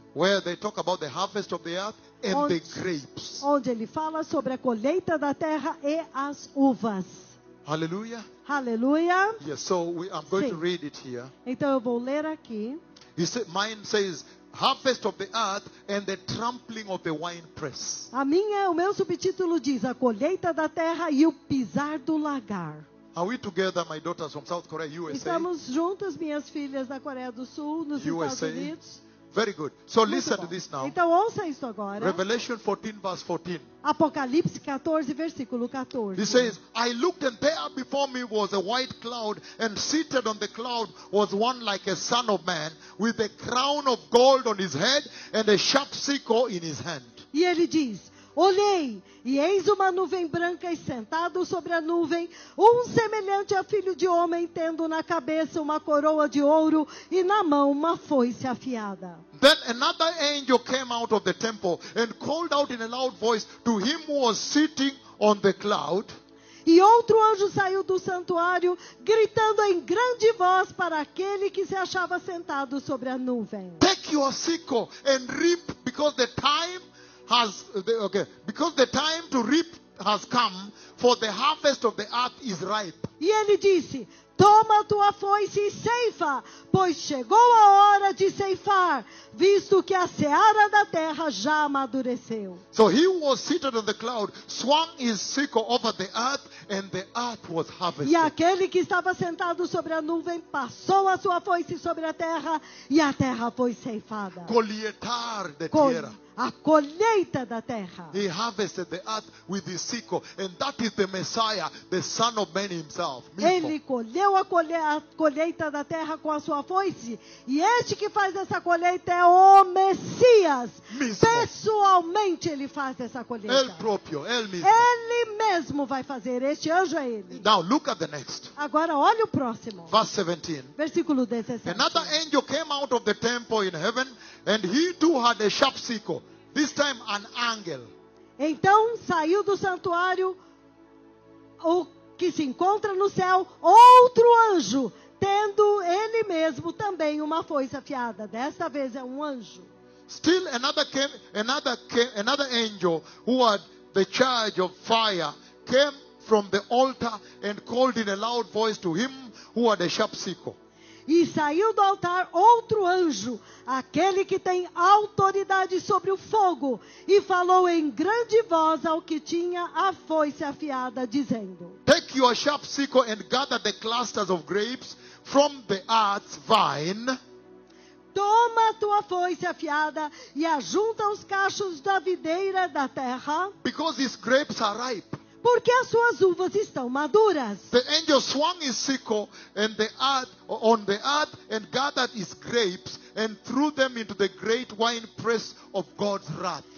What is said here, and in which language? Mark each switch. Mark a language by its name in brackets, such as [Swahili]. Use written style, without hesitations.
[English] Where they talk about the harvest of the earth and the grapes. [Portuguese] Onde ele fala sobre a colheita da terra e as uvas. [English] Hallelujah. Hallelujah. Yes, so I'm going to read it here. [Portuguese] Então eu vou ler aqui. [English] He said, mine says, harvest of the earth and the trampling of the winepress. [Portuguese] A minha, o meu subtítulo diz, a colheita da terra e o pisar do lagar. [English] Are we together, my daughters from South Korea, USA? [Portuguese] Estamos juntas, minhas filhas da Coreia do Sul, nos [English] USA. [Portuguese] Estados Unidos. [English] Very good. So [Portuguese] muito [English] listen [Portuguese] bom. [English] To this now. [Portuguese] Então ouça isso agora. [English] Revelation 14, verse 14. [Portuguese] Apocalipse 14, versículo 14. [English] He says, I looked and there before me was a white cloud, and seated on the cloud was one like a son of man, with a crown of gold on his head and a sharp sickle in his hand. [Portuguese] E ele diz, olhei, e eis uma nuvem branca, e sentado sobre a nuvem, um semelhante a filho de homem, tendo na cabeça uma coroa de ouro, e na mão uma foice afiada. [English] Then another angel came out of the temple, and called out in a loud voice to him who was sitting on the cloud. [Portuguese] E outro anjo saiu do santuário, gritando em grande voz para aquele que se achava sentado sobre a nuvem. [English] Take your sickle and reap, because the time has the, okay, because the time to reap has come, for the harvest of the earth is ripe. [Portuguese] E ele disse, toma tua foice e ceifa, pois chegou a hora de ceifar, visto que a seara da terra já amadureceu. [English] So he was seated on the cloud, swung his sickle over the earth, and the earth was harvested. [Portuguese] E aquele que estava sentado sobre a nuvem passou a sua foice sobre a terra foi ceifada. Colheitar de terra. A colheita da terra. [English] He harvested the earth with his sickle, and that is the Messiah, the Son of Man himself. [Portuguese] Ele colheu a colheita da terra com a sua foice, e este que faz essa colheita é o Messias. Mesmo. Pessoalmente ele faz essa colheita. Ele próprio, ele mesmo. Ele mesmo vai fazer, este anjo é ele. [English] Now look at the next. [Portuguese] Agora olha o próximo. [English] Verse 17. [Portuguese] Versículo 17. [English] Another angel came out of the temple in heaven, and he too had a sharp sickle. This time an angel. [Portuguese] Então saiu do santuário o que se encontra no céu, outro anjo, tendo ele mesmo também uma foice afiada. Desta vez é um anjo. [English] Still another came, another angel who had the charge of fire came from the altar and called in a loud voice to him who had a sharp sickle. [Portuguese] E saiu do altar outro anjo, aquele que tem autoridade sobre o fogo, e falou em grande voz ao que tinha a foice afiada, dizendo: [English] Take your sharp sickle and gather the clusters of grapes from the earth's vine. [Portuguese] Toma tua foice afiada e ajunta os cachos da videira da terra. [English] Because these grapes are ripe. [Portuguese] Porque as suas uvas estão maduras. [English] The angel swung his sickle and the earth on the earth and gathered his grapes and threw them into the great winepress of God's wrath.